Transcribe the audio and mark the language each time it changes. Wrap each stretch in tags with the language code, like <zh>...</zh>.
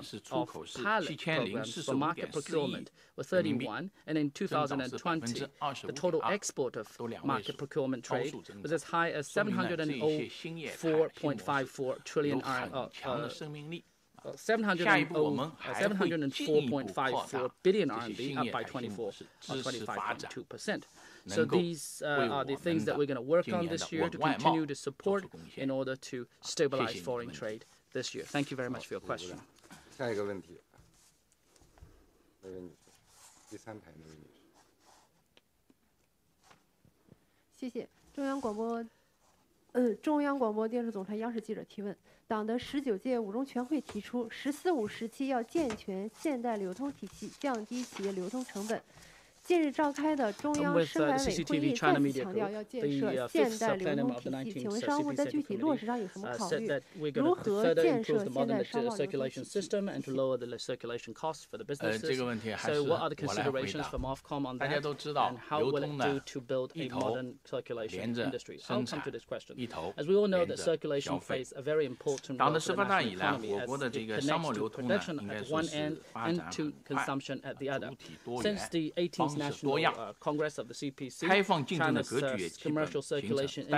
<en>of pilot programs for market procurement was 31, and in 2020, the total export of market procurement trade was as high as 704.54 billion RMB, up by 25.2%. So these are the things that we're going to work on this year to continue to support in order to stabilize foreign trade this year. Thank you very much for your question.</en> <zh>下一个问题，那位女士，第三排那位女士。谢谢中央广播。中央广播电视总台央视记者提问：党的十九届五中全会提出，十四五时期要健全现代流通体系，降低企业流通成本，近日召开的中央市委会议再次强调要建设现代旅游体系，请问商务在具体落实上有什么考虑？如何建设现代商贸旅游体系？</zh> <en>circulation system and to lower the circulation costs for the businesses.</en> <zh>这个问题还是我来回答。大家都知道，流通呢，一头连着生产，一头连着消费。党的十八大以来，我国的这个商贸流通呢，应该说是发展很快，主体多元，方式多样，开放竞争的格局也基本形成。</zh>